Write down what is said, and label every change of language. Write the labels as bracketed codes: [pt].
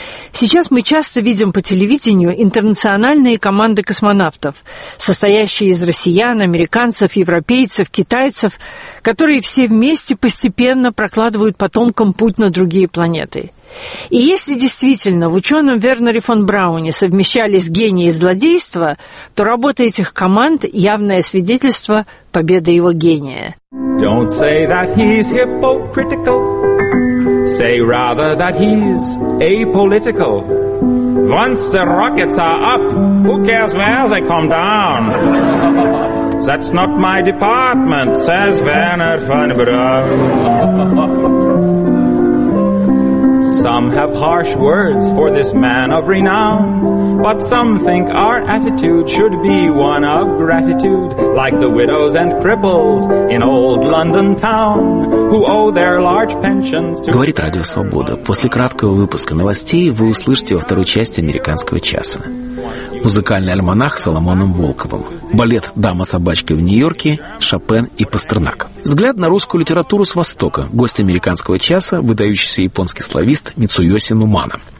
[ru] Сейчас мы часто видим по телевидению интернациональные команды космонавтов, состоящие из россиян, американцев, европейцев, китайцев, которые все вместе постепенно прокладывают потомкам путь на другие планеты. И если действительно в ученом Вернере фон Брауне совмещались гении и злодейство, то работа этих команд – явное свидетельство победы его гения. [en] Don't say that he's hypocritical. Say rather that he's apolitical. Once the rockets are up, who cares where they come down? That's not my department, says Werner von Braun. Some have harsh words for this man of renown, but some think our attitude should be one of gratitude, like the widows and cripples in old London town, who owe their large pensions to... [ru] Говорит Радио Свобода. После краткого выпуска новостей вы услышите во второй части «Американского часа». Музыкальный альманах с Соломоном Волковым. Балет «Дама собачка в Нью-Йорке», Шопен и Пастернак. Взгляд на русскую литературу с Востока. Гость «Американского часа» – выдающийся японский словист Мицуёси Нумана.